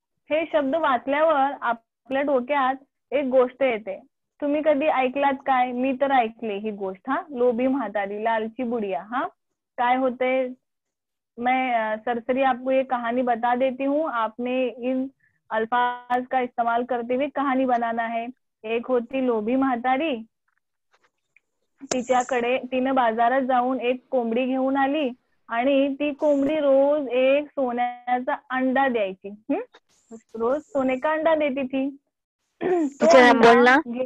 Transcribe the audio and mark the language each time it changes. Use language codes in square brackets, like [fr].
[mr] हे शब्द वाचल्यावर आपल्या डोक्यात एक गोष्ट येते. तुम्ही कधी ऐकलात काय? मी तर ऐकले ही गोष्ट. हा, लोभी म्हातारी, [hi] लालची बुढिया. [mr] हा, काय होते, [hi] मैं सरसरी आपको ये कहानी बता देती हूँ, आपने इन अल्फाज का इस्तेमाल करते हुए कहानी बनाना है. [mr] एक होती लोभी म्हातारी, तिच्याकडे तिनं बाजारात जाऊन एक कोंबडी घेऊन आली आणि ती कोंबडी रोज एक सोन्याचा अंडा द्यायची. [hi] रोज सोने का अंडा देती थी. बोलना.